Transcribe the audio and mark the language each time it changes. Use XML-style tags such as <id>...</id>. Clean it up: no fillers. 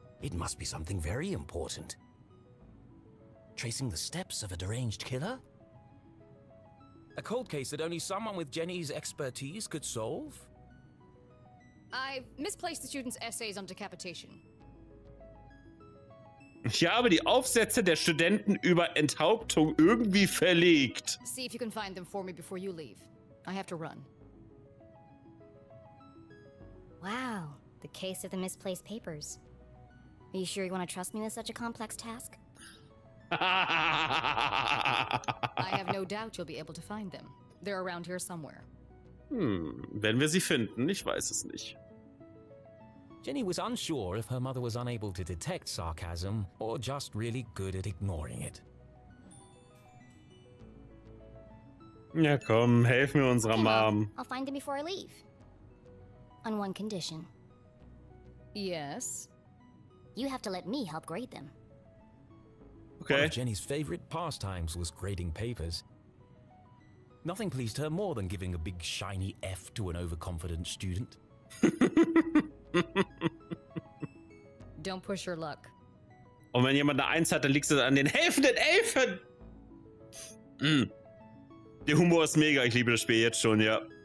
<en>It must be something very important. Tracing the steps of a deranged killer? A cold case that only someone with Jenny's expertise could solve? I've misplaced the students' essays on decapitation.</en> <de>Ich habe die Aufsätze der Studenten über Enthauptung irgendwie verlegt.</de> <en>See if you can find them for me before you leave. I have to run. Wow. The case of the misplaced papers. Are you sure you want to trust me with such a complex task? I have no doubt you'll be able to find them. They're around here somewhere.</en> <de>Wenn wir sie finden, ich weiß es nicht.</de> <en>Jenny was unsure if her mother was unable to detect sarcasm or just really good at ignoring it.</en> <de>Ja komm, helf mir unserer Mom.</de> <en>I'll find them before I leave. On one condition. Yes. You have to let me help grade them. Okay. One of Jenny's favorite pastimes was grading papers. Nothing pleased her more than giving a big shiny F to an overconfident student. Don't push your luck.</en> <de>Und wenn jemand eine Eins hat, dann liegt es an den helfenden Elfen. Der Humor ist mega. Ich liebe das Spiel jetzt schon, ja.</de>